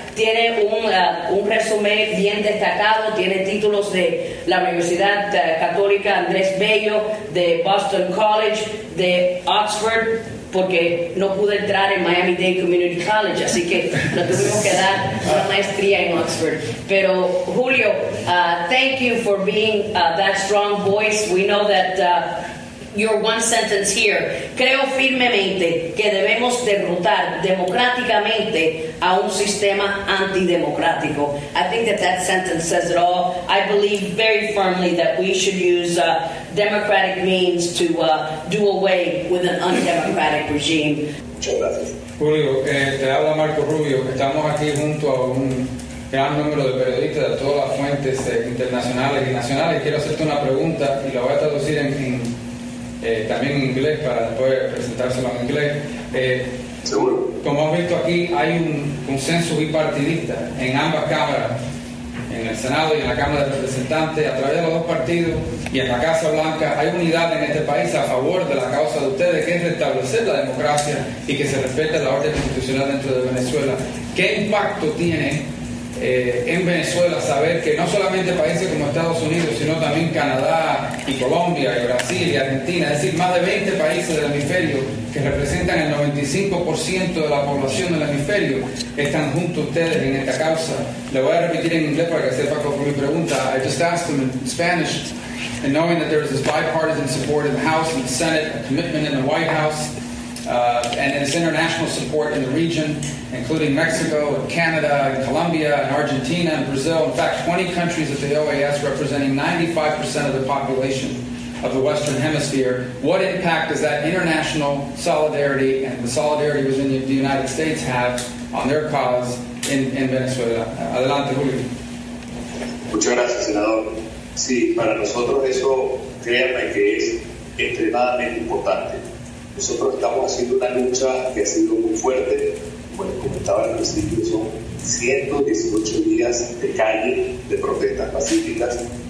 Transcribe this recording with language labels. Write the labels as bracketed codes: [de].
[es] Tiene un resumen bien destacado, tiene títulos de la Universidad Católica Andrés Bello, de Boston College, de Oxford, porque no pude entrar en Miami-Dade Community College, así que lo tuvimos que dar una maestría en Oxford. Pero [en] Julio, thank you for being that strong voice. We know that your one sentence here. [es] Creo firmemente que debemos derrotar democráticamente a un sistema antidemocrático. [en] I think that sentence says it all. I believe very firmly that we should use democratic means to do away with an undemocratic regime. [es] Julio, te habla Marco Rubio. Estamos aquí junto a un gran número de periodistas de todas las fuentes internacionales y nacionales. Quiero hacerte una pregunta y la voy a traducir también en inglés para después presentárselo en inglés. Seguro. Como has visto aquí, hay un consenso bipartidista en ambas cámaras, en el Senado y en la Cámara de Representantes, a través de los dos partidos y en la Casa Blanca. Hay unidad en este país a favor de la causa de ustedes, que es restablecer la democracia y que se respete la orden constitucional dentro de Venezuela. ¿Qué impacto tiene en Venezuela saber que no solamente países como Estados Unidos, sino también Canadá y Colombia y Brasil y Argentina, es decir, más de 20 países del hemisferio que representan el 95% de la población del hemisferio, están junto a ustedes en esta causa? Le voy a repetir en inglés para que sepa cómo mi pregunta. [en] I just asked them in Spanish, and knowing that there is this bipartisan support in the House and the Senate, a commitment in the White House, and there's international support in the region, including Mexico and Canada and Colombia and Argentina and Brazil. In fact, 20 countries of the OAS representing 95% of the population of the Western Hemisphere. What impact does that international solidarity and the solidarity within the United States have on their cause in Venezuela? [es] Adelante, Julio. Muchas gracias, senador. Sí, para nosotros eso, créanme que es extremadamente importante. Nosotros estamos haciendo una lucha que ha sido muy fuerte. Como les comentaba al principio, son 118 días de calle, de protestas pacíficas.